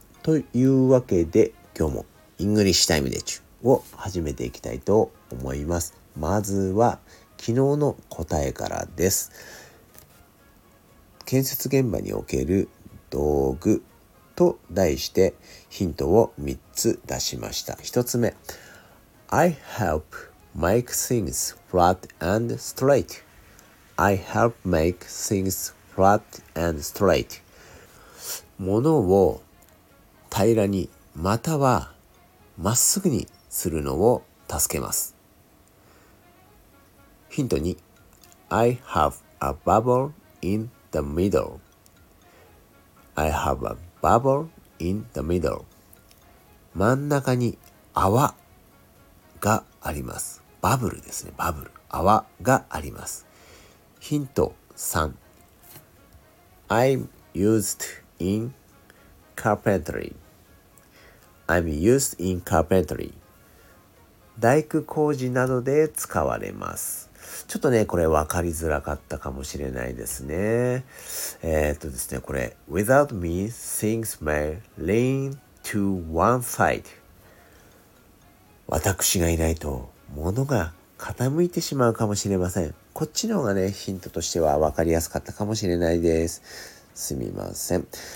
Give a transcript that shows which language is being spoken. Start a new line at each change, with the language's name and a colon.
Japanese: というわけで、今日もイングリッシュタイムで中を始めていきたいと思います。まずは昨日の答えからです。建設現場における道具と題してヒントを3つ出しました。 1つ目、
English: I help make things flat and straight. I help make things flat and straight.
Japanese: 物を平らに、またはまっすぐにするのを助けます。ヒント2。
English: I have a bubble in the middle. I have a bubble in the middle.
Japanese: 真ん中に泡があります。バブルですね、バブル、泡があります。ヒント3。
English: I'm used in carpentry. I'm used in carpentry.
Japanese: 大工工事などで使われます。ちょっとね、これ分かりづらかったかもしれないですね。ですね、これ
English: Without me, things may lean to one side.
Japanese: 私がいないと物が傾いてしまうかもしれません。こっちの方がね、ヒントとしては分かりやすかったかもしれないです。すみません。